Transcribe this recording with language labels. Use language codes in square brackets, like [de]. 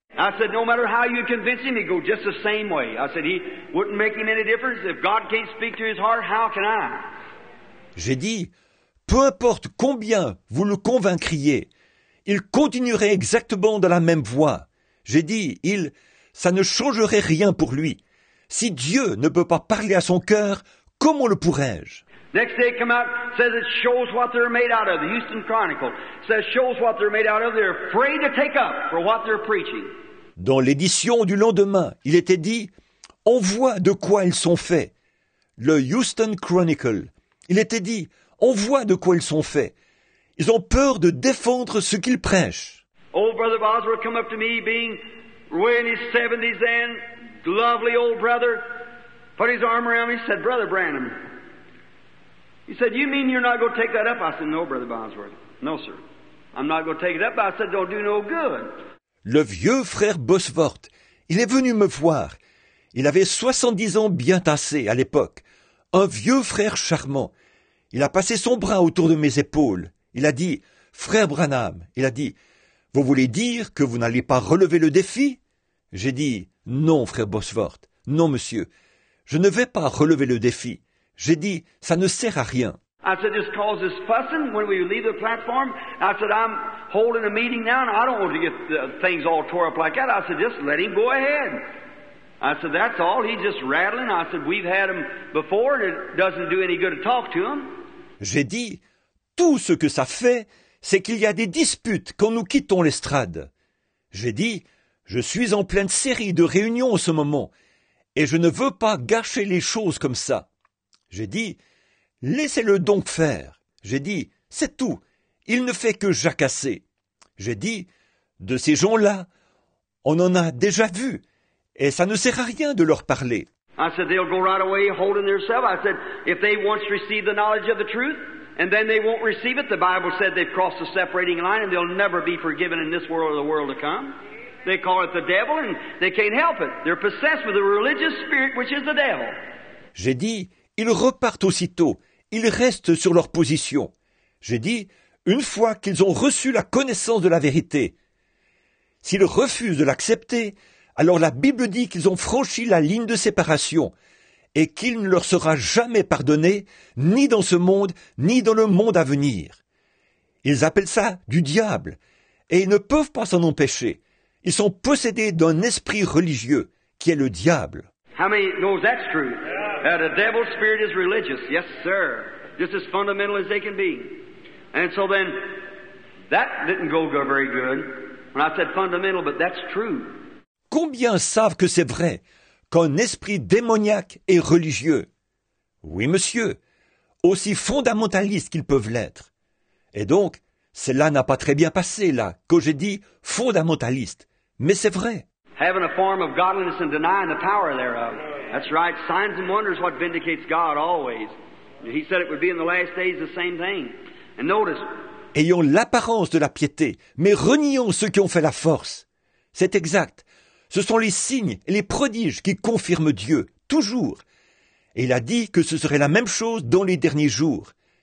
[en] I said, no matter how you convince him, he'd go just the same way. I said, he wouldn't make him any difference. If God can't speak to his heart, how can I? [fr] J'ai dit, peu importe combien vous le convaincriez, il continuerait exactement dans la même voie. J'ai dit, ça ne changerait rien pour lui. Si Dieu ne peut pas parler à son cœur, comment le pourrais-je? [en] Next day come out, says it shows what they're made out of. The Houston Chronicle says shows what they're made out of. They're afraid to take up for what they're preaching. [fr] Dans l'édition du lendemain, il était dit, on voit de quoi ils sont faits. Le Houston Chronicle, il était dit, on voit de quoi ils sont faits. Ils ont peur de défendre ce qu'ils prêchent. [en] Old brother Boswell come up to me, being in his 70s then, lovely old brother, put his arm around me, said, Brother Branham. He said, you mean you're not going to take that up? I said, no, Brother Bosworth. No, sir. I'm not going to take it up. I said, don't do no good. [fr] Le vieux frère Bosworth, il est venu me voir. Il avait 70 ans bien tassés à l'époque. Un vieux frère charmant. Il a passé son bras autour de mes épaules. Il a dit, Frère Branham, il a dit, vous voulez dire que vous n'allez pas relever le défi? J'ai dit, non, frère Bosworth. Non, monsieur. Je ne vais pas relever le défi. J'ai dit, ça ne sert à rien. [en] I said, this causes fussing when we leave the platform. I said, I'm holding a meeting now and I don't want to get things all tore up like that. I said, just let him go ahead. I said, that's all. He's just rattling. I said, we've had him before and it doesn't do any good to talk to him. [fr] J'ai dit, tout ce que ça fait, c'est qu'il y a des disputes quand nous quittons l'estrade. J'ai dit, je suis en pleine série de réunions en ce moment et je ne veux pas gâcher les choses comme ça. J'ai dit, laissez-le donc faire. J'ai dit, c'est tout. Il ne fait que jacasser. J'ai dit, de ces gens-là, on en a déjà vu. Et ça ne sert à rien de leur parler. [en] I said, they'll go right away holding themselves. I said, if they once receive the knowledge of the truth, and then they won't receive it. The Bible said they've crossed the separating line and they'll never be forgiven in this world or the world to come. They call it the devil and they can't help it. They're possessed with a religious spirit which is the devil. [fr] J'ai dit, ils repartent aussitôt. Ils restent sur leur position. J'ai dit, une fois qu'ils ont reçu la connaissance de la vérité, s'ils refusent de l'accepter, alors la Bible dit qu'ils ont franchi la ligne de séparation et qu'il ne leur sera jamais pardonné, ni dans ce monde, ni dans le monde à venir. Ils appellent ça du diable et ils ne peuvent pas s'en empêcher. Ils sont possédés d'un esprit religieux qui est le diable. [en] How many knows that's true? That a devil's spirit is religious, yes, sir. Just as fundamental as they can be. And so then, that didn't go very good. When I said fundamental, but that's true. [fr] Combien savent que c'est vrai qu'un esprit démoniaque est religieux? Oui, monsieur, aussi fondamentaliste qu'ils peuvent l'être. Et donc, cela n'a pas très bien passé, là, quand j'ai dit fondamentaliste. Mais c'est vrai. [en] Having a form of godliness and denying the power thereof. That's right. Signs and wonders what vindicates God always. He said it would be in the last days the same thing. And notice. [fr] Ayant l'apparence de la piété, mais reniant ceux qui ont fait la force. C'est exact. Ce sont les signes et les prodiges qui confirment Dieu, toujours. Et il a dit que ce serait la même chose dans les derniers jours.